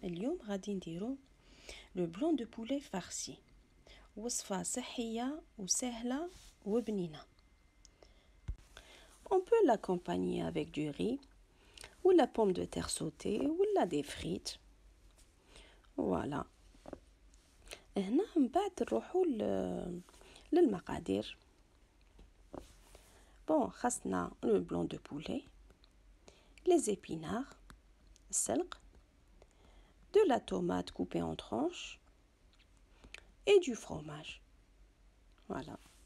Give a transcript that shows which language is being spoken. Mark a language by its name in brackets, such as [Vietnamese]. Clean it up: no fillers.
[Arabic] اليوم غادي نديرو [French] لو بلون دو بولي فارسي، [Arabic] وصفة صحية وسهلة وبنينة. [French] On peut l'accompagner avec du riz ou la pomme de terre sautée ou la des frites. Voilà. [Arabic] هنا من بعد نروحو للمقادير. [French] بون، [Arabic] خاصنا [French] لو بلون دو بولي، les épinards، selk, de la tomate coupée en tranches et du fromage. Voilà.